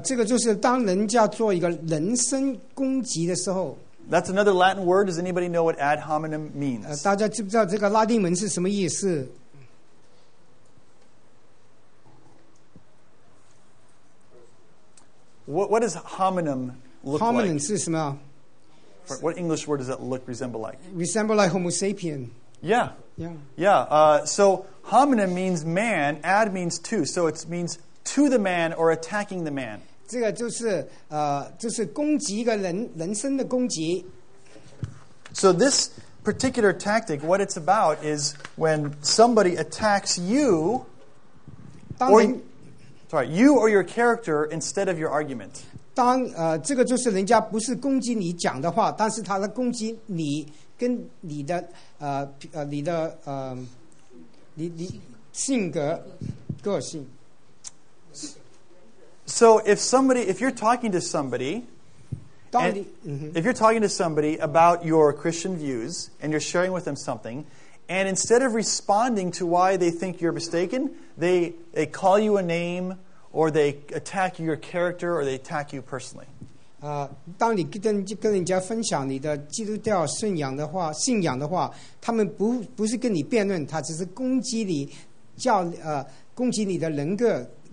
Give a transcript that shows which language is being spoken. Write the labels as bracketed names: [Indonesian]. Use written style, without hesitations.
[Chinese] 这个就是当人家做一个人身攻击的时候。 [English] That's another Latin word. Does anybody know what ad hominem means? [Chinese] 大家知不知道这个拉丁文是什么意思？ [English] What does hominem look Hominins [Chinese] 是什么? [English] What English word does that look resemble like? Resemble like Homo sapien. Yeah. Yeah. Yeah. So hominin means man, ad means to. So it means to the man or attacking the man. [Chinese] 这个就是就是攻击一个人人身的攻击。 [English] So this particular tactic, what it's about is when somebody attacks you, you or your character instead of your argument. [Chinese] 当这个就是人家不是攻击你讲的话，但是他来攻击你跟你的你的你性格个性。 [English] So if somebody, if you're talking to somebody, and if you're talking to somebody about your Christian views and you're sharing with them something, and instead of responding to why they think you're mistaken, they call you a name or they attack your character or they attack you personally. [Chinese] 当你跟人家分享你的基督教信仰的话，他们不是跟你辩论，他只是攻击你攻击你的人格。